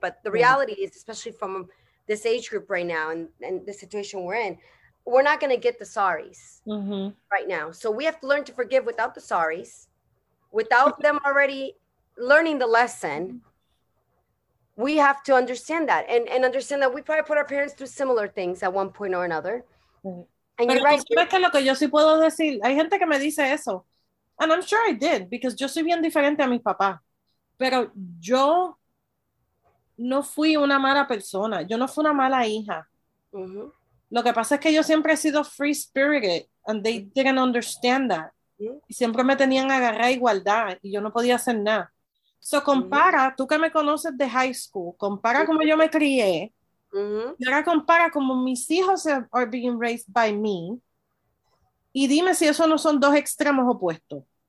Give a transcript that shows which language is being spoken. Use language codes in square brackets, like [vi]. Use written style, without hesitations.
[en] But the reality mm-hmm. is, especially from this age group right now and the situation we're in, we're not going to get the sorry's mm-hmm. right now. So we have to learn to forgive without the sorry's, without them already learning the lesson. We have to understand that and understand that we probably put our parents through similar things at one point or another. Mm-hmm. And you're right. [es] Pero es que lo que yo sí puedo decir, hay gente que me dice eso. [en] And I'm sure I did, because [es] yo soy bien diferente a mi papá. Pero yo no fui una mala persona. Yo no fui una mala hija. Mm-hmm. Lo que pasa es que yo siempre he sido free-spirited, [en] and they didn't understand that. Mm-hmm. [es] Y siempre me tenían agarrada igualdad, y yo no podía hacer nada. So compara, mm-hmm. tú que me conoces de high school, compara mm-hmm. cómo yo me crié. Mm-hmm. Y ahora compara como mis hijos [en] are being raised by me. [es] Y dime si eso no son dos extremos opuestos.